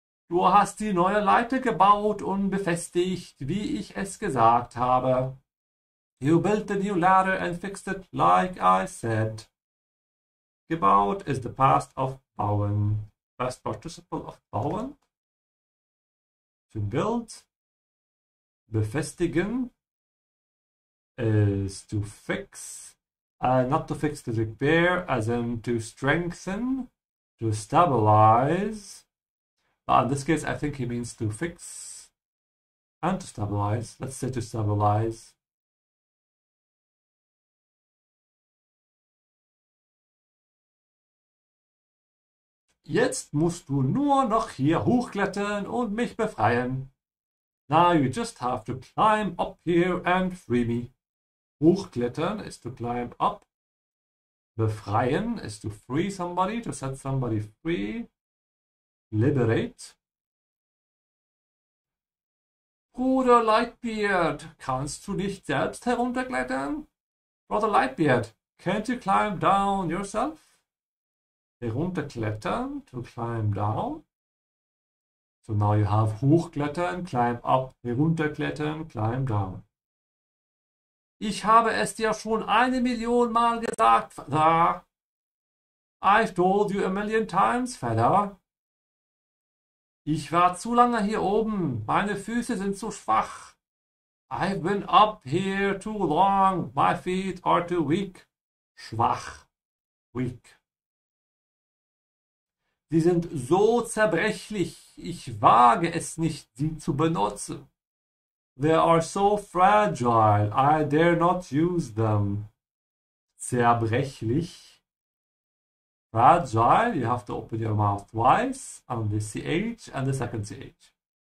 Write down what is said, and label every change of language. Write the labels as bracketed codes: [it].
[de] Du hast die neue Leiter gebaut und befestigt, wie ich es gesagt habe. [en] You built the new ladder and fixed it like I said. Gebaut is the past of bauen. First participle of bauen. To build, befestigen, is to fix, not to fix, to repair, as in to strengthen, to stabilize, but in this case I think he means to fix and to stabilize, let's say to stabilize. [de] Jetzt musst du nur noch hier hochklettern und mich befreien. [en] Now you just have to climb up here and free me. Hochklettern is to climb up. Befreien is to free somebody, to set somebody free. Liberate. [de] Bruder Lightbeard, kannst du nicht selbst herunterklettern? [en] Brother Lightbeard, can't you climb down yourself? Herunterklettern, to climb down. So now you have hochklettern, climb up, herunterklettern, climb down. [de] Ich habe es dir schon 1 Million Mal gesagt, Feather. [en] I've told you 1 million times, Feather. [de] Ich war zu lange hier oben. Meine Füße sind zu schwach. [en] I've been up here too long. My feet are too weak. Schwach. Weak. [de] Sie sind so zerbrechlich, ich wage es nicht, sie zu benutzen. [en] They are so fragile, I dare not use them. Zerbrechlich. Fragile, you have to open your mouth twice, on the CH and the second CH.